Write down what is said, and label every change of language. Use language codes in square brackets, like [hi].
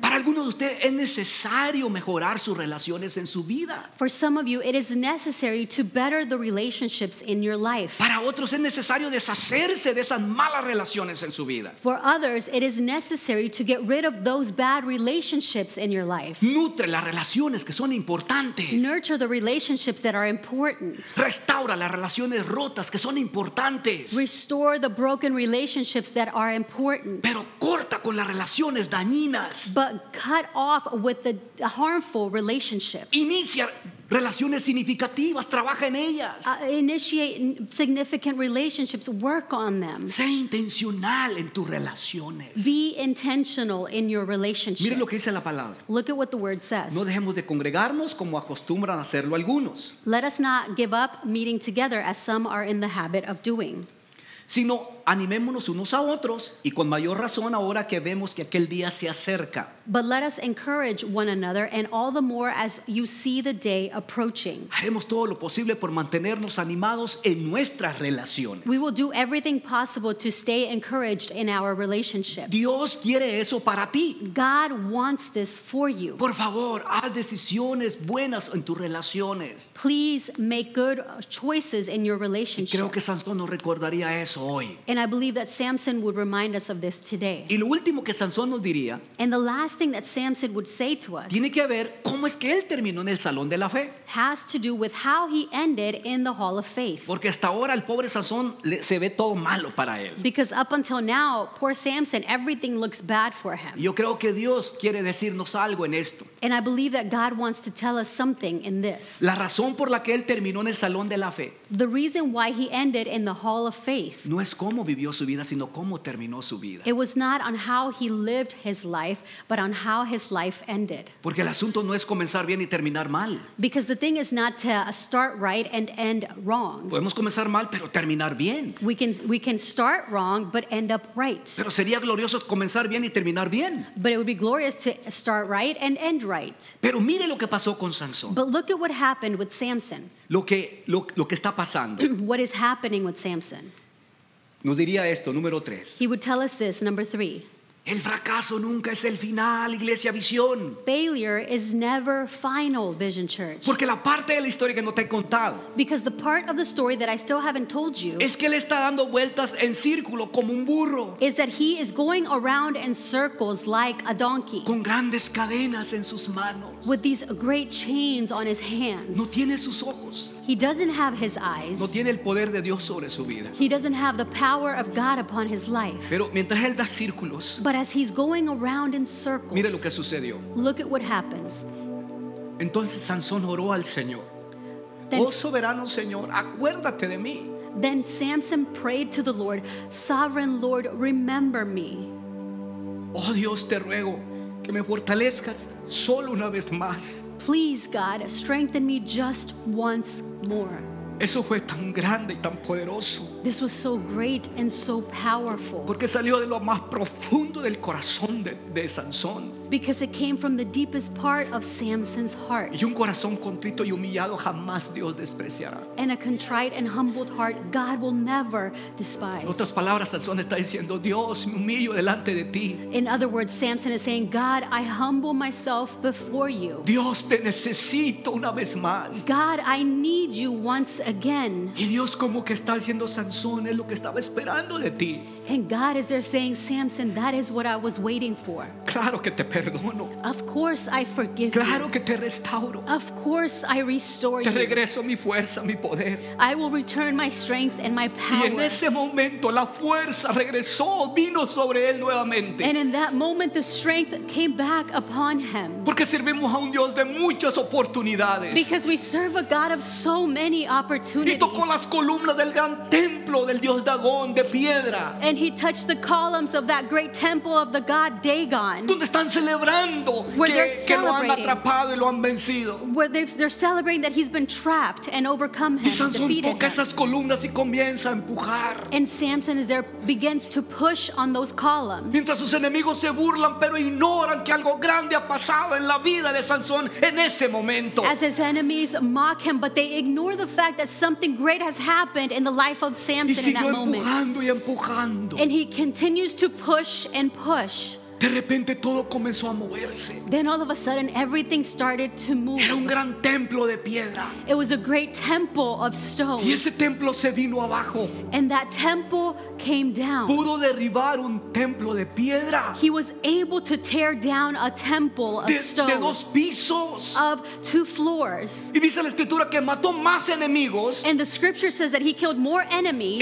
[es] Para algunos de ustedes es necesario mejorar sus relaciones en su vida. [en] For some of you, it is necessary to better the relationships in your life. [es] Para otros es necesario deshacerse de esas malas relaciones en su vida. [en] For others, it is necessary to get rid of those bad relationships in your life. [es] Nutre las relaciones que son importantes. [en] Nurture the relationships that are important. [es] Restaura las relaciones rotas que son importantes. [en] Restore the broken relationships that are important. [es] Pero corta con las relaciones dañinas. [en] But cut off with the harmful relationships. [es] Inicia relaciones significativas, trabaja en ellas. [en] Initiate significant relationships, work on them. [es] Sé intencional en tus relaciones. [en] Be intentional in your relationships. [es] Mire lo que dice la palabra. [en] Look at what the word says. [es] No dejemos de congregarnos como acostumbran hacerlo algunos. [en] Let us not give up meeting together as some are in the habit of doing. [es] Sino animémonos unos a otros y con mayor razón ahora que vemos que aquel día se acerca. [en] But let us encourage one another and all the more as you see the day approaching. [es] Haremos todo lo posible por mantenernos animados en nuestras relaciones. [en] We will do everything possible to stay encouraged in our relationships. [es] Dios quiere eso para ti. [en] God wants this for you. [es] Por favor, haz decisiones buenas en tus relaciones. [en] Please make good choices in your relationships. [es] Creo que Sansón nos recordaría eso. eso hoy. [en] And I believe that Samson would remind us of this today. [es] Y lo último que Sansón nos diría, [en] and the last thing that Samson would say to us, [es] tiene que ver cómo es que él terminó en el salón de la fe. [en] Has to do with how he ended in the hall of faith. [es] Porque hasta ahora el pobre Sansón se ve todo malo para él. [en] Because up until now, poor Samson, everything looks bad for him. [es] Yo creo que Dios quiere decirnos algo en esto. [en] And I believe that God wants to tell us something in this. [es] La razón por la que él terminó en el salón de la fe. [en] The reason why he ended in the hall of faith. [es] No es cómo vivió su vida, sino cómo terminó su vida. [en] It was not on how he lived his life, but on how his life ended. [es] Porque el asunto no es comenzar bien y terminar mal. [en] Because the thing is not to start right and end wrong. [es] Podemos comenzar mal, pero terminar bien. [en] We can start wrong, but end up right. [es] Pero sería glorioso comenzar bien y terminar bien. [en] But it would be glorious to start right and end right. [es] Pero mire lo que pasó con Sansón. [en] But look at what happened with Samson. [es] Lo que está pasando. [en] What is happening with Samson? [es] Nos diría esto, número tres. [en] He would tell us this, number three. [es] El fracaso nunca es el final, Iglesia Visión. [en] Failure is never final, Vision Church. [es] Porque la parte de la historia que no te he contado. [en] Because the part of the story that I still haven't told you. [es] Es que él está dando vueltas en círculo como un burro. [en] Is that he is going around in circles like a donkey. [es] Con grandes cadenas en sus manos. [en] With these great chains on his hands. [es] No tiene sus ojos. [en] He doesn't have his eyes. [es] No tiene el poder de Dios sobre su vida. [en] He doesn't have the power of God upon his life. [es] Pero mientras él da círculos. [en] But as he's going around in circles, [es] mire lo que sucedió. [en] Look at what happens. [es] Entonces Sansón oró al Señor. [en] Then, [es] oh soberano Señor, acuérdate de mí. [en] Then Samson prayed to the Lord, Sovereign Lord, remember me. [es] Oh Dios, te ruego que me fortalezcas solo una vez más. [en] Please, God, strengthen me just once more. [es] Eso fue tan grande y tan poderoso. [en] This was so great and so powerful. [es] Porque salió de lo más profundo del corazón de Sansón. [en] Because it came from the deepest part of Samson's heart. [es] Y un corazón contrito y humillado jamás Dios despreciará. [en] And a contrite and humbled heart God will never despise. [es] En otras palabras, Sansón está diciendo, Dios, me humillo delante de ti. [en] In other words, Samson is saying, God, I humble myself before you. [es] Dios, te necesito una vez más. [en] God, I need you once again. [es] Y Dios como que está diciendo, Sansón, es lo que estaba esperando de ti. [en] And God is there saying, Samson, that is what I was waiting for. [es] Claro que te perdono. [en] Of course I forgive [es] claro [en] you. [es] Que te restauro. [en] Of course I restore [es] te [en] you. [es] Regreso mi fuerza, mi poder. [en] I will return my strength and my power. [es] Y en ese momento, la fuerza regresó, vino sobre él nuevamente. [en] And in that moment the strength came back upon him. [es] Porque servimos a un Dios de muchas oportunidades. [en] Because we serve a God of so many opportunities. [es] Y tocó las columnas del gran templo del Dios Dagón de piedra. [en] And he touched the columns of that great temple of the god Dagon. [es] Donde están celebrando que lo han atrapado y lo han vencido. [en] Where they're celebrating that he's been trapped and overcome him. [es] Y Sansón toca esas columnas y comienza a empujar. [en] And Samson is there, begins to push on those columns. [es] Mientras sus enemigos se burlan pero ignoran que algo grande ha pasado en la vida de Sansón en ese momento. [en] As his enemies mock him but they ignore the fact that something great has happened in the life of Samson in that moment. [es] Y siguió empujando y empujando. [en] And he continues to push and push. [es] De repente todo comenzó a moverse. [en] Then all of a sudden everything started to move. [es] Era un gran templo de piedra. [en] It was a great temple of stone. [es] Y ese templo se vino abajo. [en] And that temple came down. [es] Pudo derribar un templo de piedra. [en] He was able to tear down a temple of stone. [es] De dos pisos. [en] Of two floors. [es] Y dice la escritura que mató más enemigos. [en] And the scripture says that he killed more enemies.